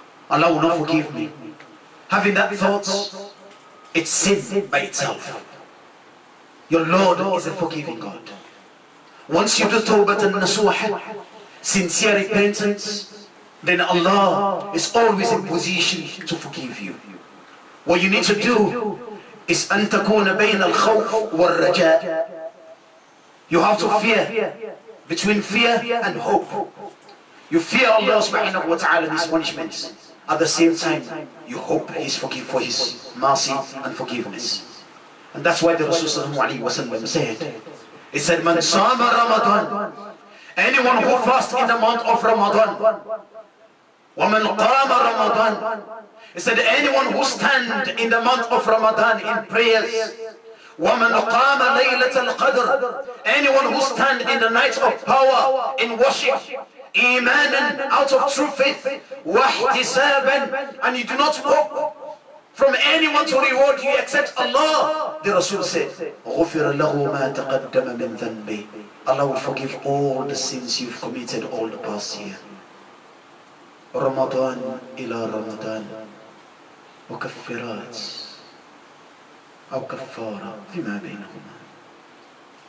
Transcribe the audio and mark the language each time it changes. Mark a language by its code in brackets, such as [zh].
[en] Allah will not forgive me. Having that thought, it's sin by itself. Your Lord is a forgiving God. Once you do tawbah and nasuha, sincere repentance, then Allah is always in position to forgive you. What you need to do is [ar] أن تكون بين الخوف والرجاء. [en] You have to fear between fear and hope. You fear Allah subhanahu wa ta'ala and His punishment. At the same time, you hope He's forgive for His mercy and forgiveness. And that's why the Rasulullah said, He said, [ar] Man sama Ramadan, [en] anyone who fasts in the month of Ramadan, [ar] وَمَنْ قَامَ رَمَضَانَ. [en] He said, anyone who stand in the month of Ramadan in prayers, [ar] وَمَنْ قَامَ لَيْلَةَ الْقَدْرِ. [en] Anyone who stand in the night of power in worship, إِيمَانًا, out of true faith, وَاحْتِسَابًا, and you do not hope from anyone to reward you except Allah. The Rasul said, [ar] غُفِرَ لَهُ مَا تَقَدَّمَ مِنْ ذَنْبِ. [en] Allah will forgive all the sins you've committed all the past year. [ar] رمضان إلى رمضان وكفرات أو كفارة فيما بينهما.